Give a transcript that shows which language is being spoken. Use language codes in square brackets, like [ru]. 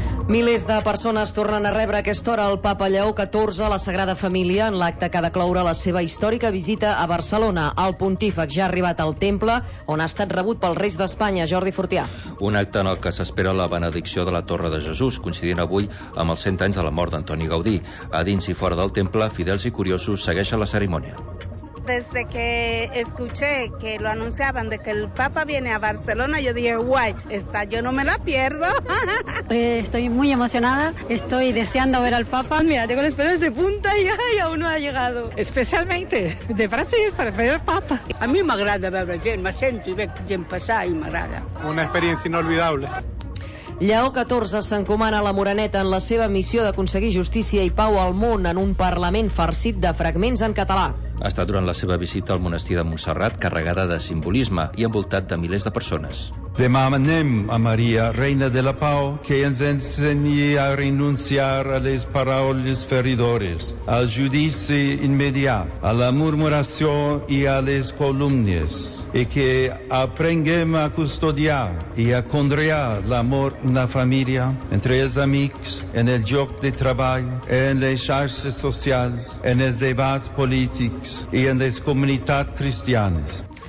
[ca] Milers de persones tornen a rebre a aquesta hora el Papa Lleó XIV a la Sagrada Família en l'acte que ha de cloure la seva històrica visita a Barcelona. El pontífec ja ha arribat al temple, on ha estat rebut pels reis d'Espanya, Jordi Fortià. Un acte en el que s'espera la benedicció de la Torre de Jesús, coincidint avui amb els 100 anys de la mort d'Antoni Gaudí. A dins i fora del temple, fidels i curiosos segueixen la cerimònia. [es] Desde que escuché que lo anunciaban de que el Papa viene a Barcelona, yo dije, guay, esta yo no me la pierdo. Estoy muy emocionada, estoy deseando ver al Papa. Mira, tengo los pelos de punta y aún no ha llegado. Especialmente de Brasil, para ver al Papa. A mí me agrada ver a gente, me siento y ver a gente pasar y me agrada. Una experiencia inolvidable. [ca] Lleó XIV s'encomana a la Moreneta en la seva missió d'aconseguir justícia i pau al món en un parlament farcit de fragments en català. Ha estat durant la seva visita al monestir de Montserrat, carregada de simbolisme i envoltat de milers de persones. Demà anem a Maria, reina de la pau, que ens ensenyi a renunciar a les paraules feridores, al judici immediat, a la murmuració i a les calúmnies, i que aprenguem a custodiar i a conrear l'amor en la família, entre els amics, en el lloc de treball, en les xarxes socials, en els debats polítics i en les comunitats cristianes.